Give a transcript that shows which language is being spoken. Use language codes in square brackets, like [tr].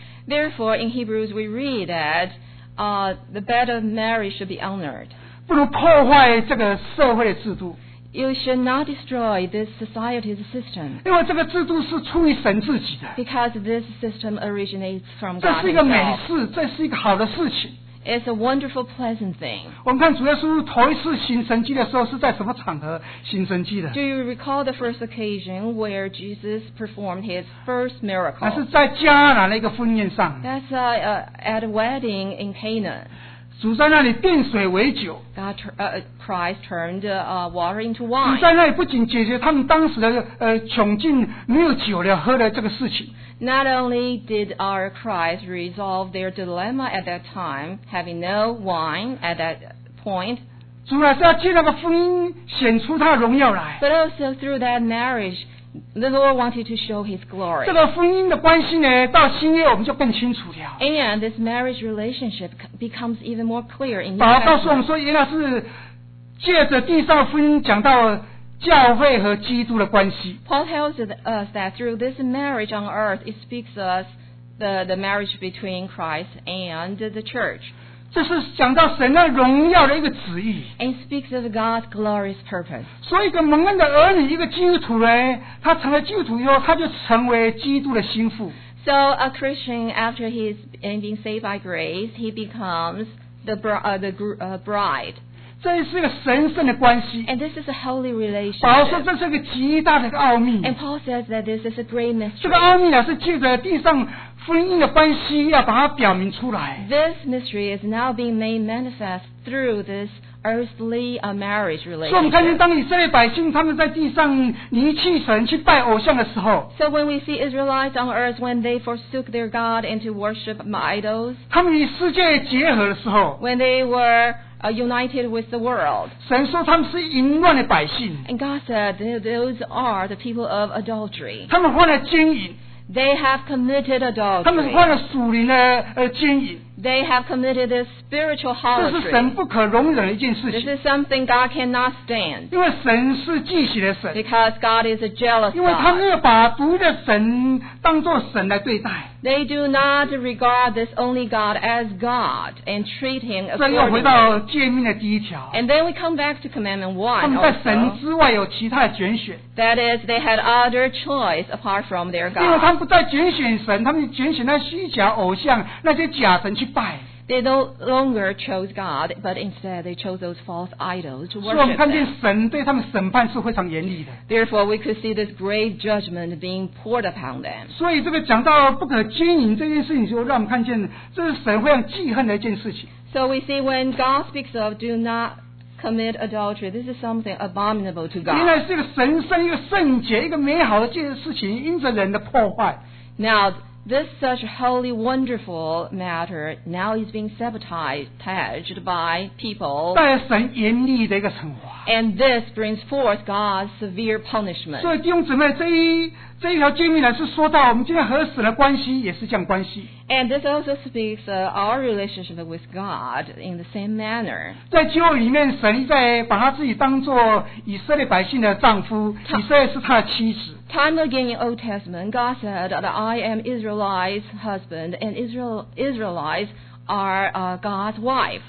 [en] Therefore, in Hebrews we read that the bed of marriage should be honored. [zh] 不如破坏这个社会的制度。 [en] You should not destroy this society's system. [zh] 因为这个制度是出于神自己的。 [en] Because this system originates from God. [zh] 这是一个美事，这是一个好的事情。 [en] It's a wonderful, pleasant thing. [zh] 我们看主耶稣头一次行神迹的时候是在什么场合行神迹的？ [en] Do you recall the first occasion where Jesus performed his first miracle? [zh] 那是在迦南的一个婚宴上。 [en] That's at a wedding in Cana. [zh] 主在那里变水为酒。 [en] God, Christ turned water into wine. [zh] 主在那里不仅解决他们当时的窘境，没有酒了喝的这个事情。 [en] Not only did our Christ resolve their dilemma at that time, having no wine at that point, [zh] 主要是要借那个婚姻显出他的荣耀来。 [en] But also through that marriage, the Lord wanted to show His glory. [zh] 这个婚姻的关系呢，到新约我们就更清楚了。 [en] And this marriage relationship becomes even more clear in. [zh] 保罗告诉我们说，原来是借着地上婚姻讲到。教会和基督的关系。 [en] Paul tells us that through this marriage on earth, it speaks us the marriage between Christ and the church. [zh] 这是讲到神的荣耀的一个旨意。 [en] And speaks of God's glorious purpose. [zh] 所以，一个蒙恩的儿女，一个基督徒呢，他成了基督徒以后，他就成为基督的心腹。 [en] So a Christian after he's being saved by grace, he becomes the bride. [zh] 这是一个神圣的关系。 [en] And this is a holy relationship. [zh] 保罗说这是一个极大的奥秘。 [en] And Paul says that this is a great mystery. [zh] 这个奥秘呢是借着地上婚姻的关系要把它表明出来。 [en] This mystery is now being made manifest through this earthly marriage relationship. [zh] 所以我们看见当以色列百姓他们在地上离弃神去拜偶像的时候。 [en] So when we see Israelites on earth when they forsook their God and to worship idols. [zh] 他们与世界结合的时候。 [en] When they were united with the world. [zh] 神说他们是淫乱的百姓。 [en] And God said those are the people of adultery. [zh] 他们犯了奸淫。 [en] They have committed adultery. [zh] 他们犯了属灵的奸淫。 [en] They have committed a spiritual harlotry. [zh] 这是神不可容忍的一件事情。 [en] This is something God cannot stand. [zh] 因为神是忌喜的神。 [en] Because God is a jealous God. [zh] 因为他们要把独一的神当作神来对待。 [en] They do not regard this only God as God and treat Him accordingly. [zh] 这又回到诫命的第一条。 [en] And then we come back to Commandment 1. [zh] 他们在神之外有其他的拣选。 [en] That is, they had other choice apart from their God. [zh] 因为他们不再拣选神，他们拣选那虚假偶像，那些假神去拜。 [en] They no longer chose God, but instead they chose those false idols to worship. [zh] 所以我们看见神对他们审判是非常严厉的。 [en] Therefore, we could see this great judgment being poured upon them. [zh] 所以这个讲到不可奸淫这件事情，就让我们看见这是神非常记恨的一件事情。 [en] So we see when God speaks of do not commit adultery, this is something abominable to God. [zh] 原来是一个神圣、一个圣洁、一个美好的这件事情，因着人的破坏。 [en] Now. This such holy, wonderful matter now is being sabotaged by people. [zh] 带来神严厉的一个惩罚。 [en] And this brings forth God's severe punishment. [zh] 所以弟兄姊妹，这一条诫命呢，是说到我们今天和神的关系也是这样关系。 [en] And this also speaks our relationship with God in the same manner. [zh] 在旧约里面，神在把他自己当作以色列百姓的丈夫，以色列是他的妻子。 [en] Time again in Old Testament, God said that I am Israelite's husband and Israelites are God's wife.